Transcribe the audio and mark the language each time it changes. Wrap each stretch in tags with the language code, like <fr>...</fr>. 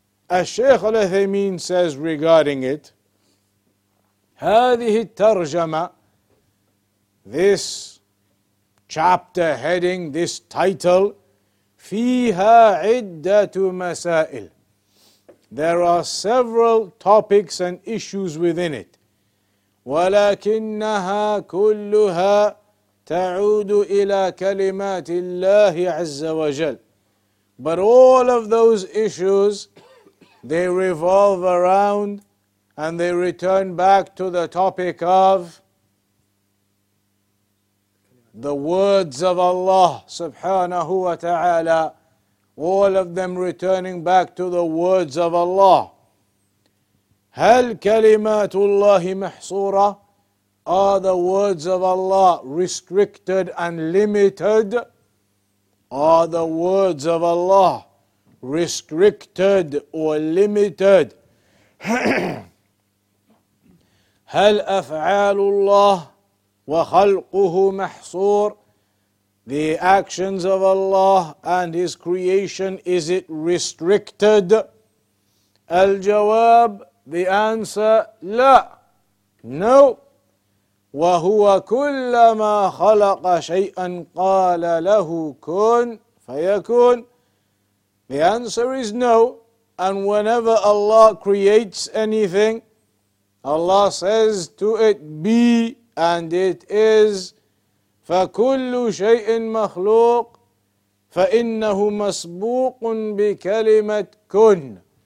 <en>الشيخ الأثيمين says regarding it,</en> <ar>هذه الترجمة,</ar> <en>this chapter heading, this title,</en> <ar>فيها عدة مسائل.</ar> <en>There are several topics and issues within it.</en> <ar>ولكنها كلها تعود إلى كلمات الله عز وجل.</ar> <en>But all of those issues, they revolve around and they return back to the topic of the words of Allah سبحانه وتعالى. All of them returning back to the words of Allah.</en> <ar>هل كلمات الله محصورة?</ar> <en>Are the words of Allah restricted and limited? Are the words of Allah restricted or limited?</en> <ar>هل أفعال الله وخلقه محصور?</ar> <en>The actions of Allah and His creation, is it restricted?</en> <ar>الجواب,</ar> <en>the answer,</en> <ar>لا.</ar> <en>No.</en> <ar>وهو كلما خلق شيئا قال له كن فيكون.</ar> <en>The answer is no. And whenever Allah creates anything, Allah says to it, be, and it is.</en> <ar>فَكُلُّ شَيْءٍ مَخْلُوقٍ فَإِنَّهُ مَسْبُوقٌ بِكَلِمَةٍ كُنْ.</ar>